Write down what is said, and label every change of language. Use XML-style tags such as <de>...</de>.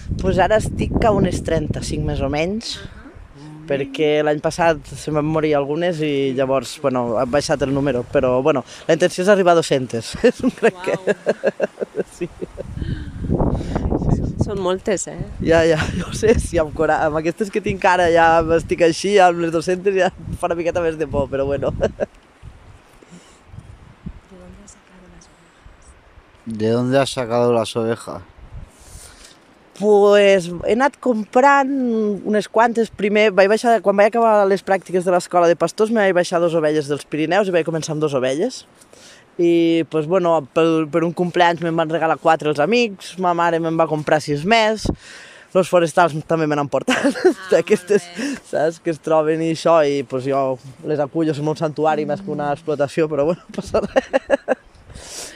<ca>Pues ara estic a unes 35 més o menys, perquè l'any passat se m'han morit algunes i llavors, bueno, ha baixat el número, però bueno, la intenció és arribar a 200. És un crec que... Sí. Són moltes, eh? Ja, jo sé, sí, amb aquestes que tinc ara ja estic així, amb les 200 ja fa una miqueta més de por, però bueno.</ca> <es>¿De dónde has sacado las ovejas?</es> <ca>Pues he anat comprant unes quantes. Primer, quan vaig acabar les pràctiques de l'escola de pastors, me vaig baixar dos ovelles dels Pirineus i vaig començar amb dos ovelles. I, pues, bueno, per un cumpleaños me'n van regalar 4 els amics, ma mare me'n va comprar 6 més, los forestals també me n'han portat, d'aquestes, saps, que es troben i això, i pues, jo les acullo, som un santuari més que una explotació, però bueno, no passa res.</ca>